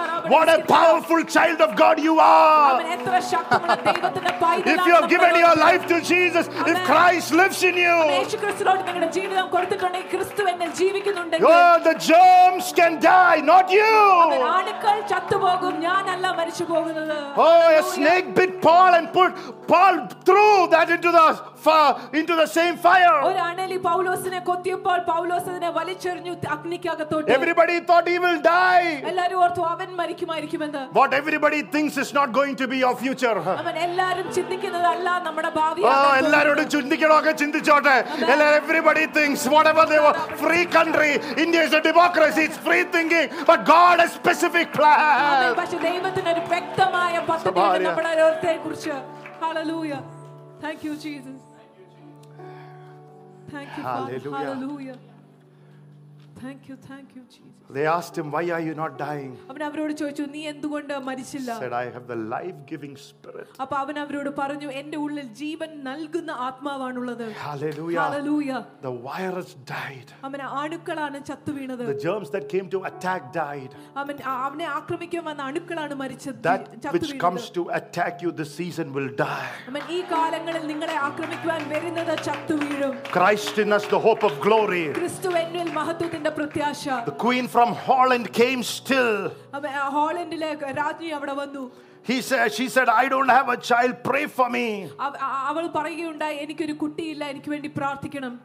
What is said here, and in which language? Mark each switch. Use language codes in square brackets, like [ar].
[en] What a powerful child of God you are. If you have given your life to Jesus, if Christ lives in you, oh, the germs can die, not you. Oh, a snake bit Paul and put Paul threw that into the same fire. [ml] ഒരു അണലി പൗലോസിനെ കൊത്തിയപ്പോൾ പൗലോസ് അതിനെ വലിച്ചെറിഞ്ഞു അഗ്നിക്കകത്തോട്ട്. [en] Everybody thought he will die. [ml] എല്ലാവരും ഓർത്തു അവൻ മരിക്കുമായിരിക്കുമെന്ന്. [en] What everybody thinks is not going to be your future. [ml] അവൻ എല്ലാവരും ചിന്തിക്കുന്നതല്ല നമ്മുടെ ഭാവിയാണ്. ഓ, എല്ലാവരോടും ചിന്തിക്കണമൊക്കെ ചിന്തിച്ചോട്ടെ. [en] Everybody thinks whatever they want. Free country, India is a democracy, it's free thinking, but God has specific plan. [ml] അവൻ പക്ഷേ ദൈവത്തിന് ഒരു വ്യക്തമായ പദ്ധതിയുണ്ട് നമ്മുടെ ലോകത്തെക്കുറിച്ച്. [en] Hallelujah. Thank you Jesus. Thank you, hallelujah. Father. Hallelujah. Thank you, Jesus. They asked him, why are you not dying? [ml] അവൻ അവരോട് ചോദിച്ചു, നീ എന്തുകൊണ്ട് മരിച്ചില്ല? [en] He said, I have the life-giving spirit. [ml] അപ്പോൾ അവൻ അവരോട് പറഞ്ഞു, എൻ്റെ ഉള്ളിൽ ജീവൻ നൽകുന്ന ആത്മാവാണുള്ളത്. [en] Hallelujah. Hallelujah. The virus died. [ml] അവൻ അണുക്കളാണ് ചത്തുവീണത്. [en] The germs that came to attack died. [ml] അവൻ അവനെ ആക്രമിക്കാൻ വന്ന അണുക്കളാണ് മരിച്ചത്. [en] That which comes to attack you this season will die. [ml] അവൻ ഈ കാലങ്ങളിൽ നിങ്ങളെ ആക്രമിക്കാൻ വരുന്നത് ചത്തുവീഴും. [en] Christ in us, the hope of glory. [ml] ക്രിസ്തു എന്നിൽ മഹത്വത്തിന്റെ പ്രത്യാശ. [en] The queen from Holland came still. [ml] അവൻ ഹോളണ്ടിലെ രാജ്ഞി അവിടെ വന്നു. [en] She said I don't have a child, pray for me. [ml] അവൾ പറയുകയുണ്ട് എനിക്ക് ഒരു കുട്ടിയില്ല, എനിക്ക് വേണ്ടി പ്രാർത്ഥിക്കണം.